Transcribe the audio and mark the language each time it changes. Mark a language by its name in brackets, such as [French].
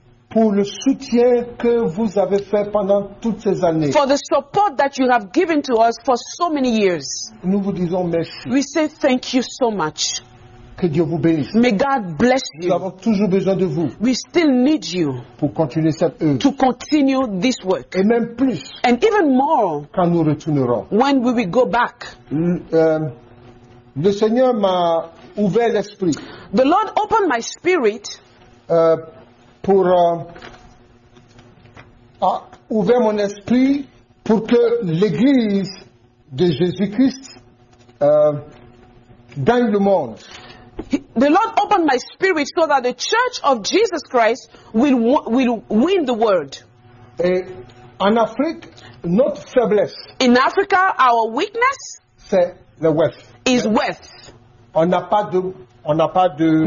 [French] Pour le soutien que vous avez fait pendant toutes ces années. [English] For the support that you have given to us for so many years. [French] Nous vous disons merci. [English] We say thank you so much. [French] Que Dieu vous bénisse. [English] May God bless you. [French] Nous avons toujours besoin de vous. [English] We still need you. [French] Pour continuer cette œuvre. [English] To continue this work. [French] Et même plus. [English] And even more. [French] Quand nous retournerons. [English] When we will go back. [French] Le Seigneur m'a ouvert l'esprit. [English] The Lord opened my spirit. [French] Pour a ouvert mon esprit pour que l'Église de Jésus-Christ gagne le monde. [English] The Lord opened my spirit so that the Church of Jesus Christ will win the world. [French] Et en Afrique, notre faiblesse. [English] In Africa, our weakness. [French] C'est le wealth. [English] Is wealth. [French] On n'a pas de